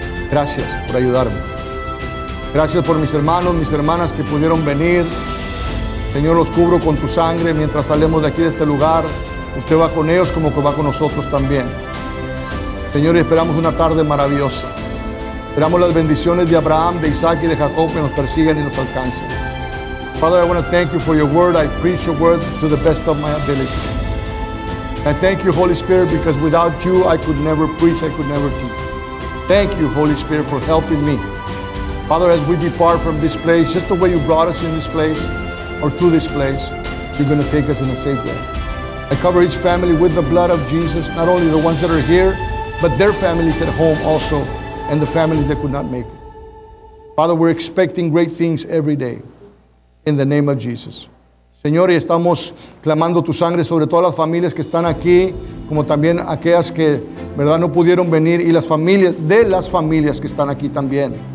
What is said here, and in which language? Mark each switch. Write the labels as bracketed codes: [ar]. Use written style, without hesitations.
[es] Gracias por ayudarme. Gracias por mis hermanos, mis hermanas que pudieron venir. Señor, los cubro con tu sangre mientras salemos de aquí, de este lugar. Usted va con ellos como que va con nosotros también. Señor, esperamos una tarde maravillosa. Esperamos las bendiciones de Abraham, de Isaac y de Jacob que nos persigan y nos alcancen. [en] Father, I want to thank you for your word. I preach your word to the best of my ability. I thank you, Holy Spirit, because without you, I could never preach, I could never teach. Thank you, Holy Spirit, for helping me. Father, as we depart from this place, just the way you brought us in this place or to this place, you're going to take us in a safe way. I cover each family with the blood of Jesus, not only the ones that are here, but their families at home also, and the families that could not make it. Father, we're expecting great things every day. In the name of Jesus. [es] Señor, y estamos clamando tu sangre sobre todas las familias que están aquí, como también aquellas que, ¿verdad?, no pudieron venir, y las familias, de las familias que están aquí también.